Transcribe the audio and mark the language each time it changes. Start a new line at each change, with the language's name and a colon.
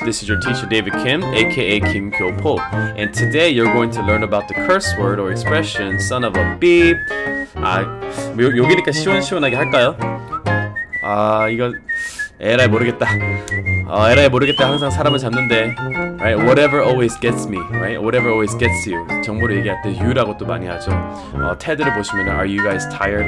English: This is your teacher David Kim, aka Kim Kyopo. And today you're going to learn about the curse word or expression son of a beep.
Korean: 아, 여기니까 시원시원하게 할까요? 아, 이거 에라이 모르겠다. 에라이 모르겠다 항상 사람을 잡는데.
English: Right, whatever always gets me, right? Whatever always gets you.
Korean: 정보를 얘기할 때 you라고 또 많이 하죠. 테드를 보시면
English: are you guys tired?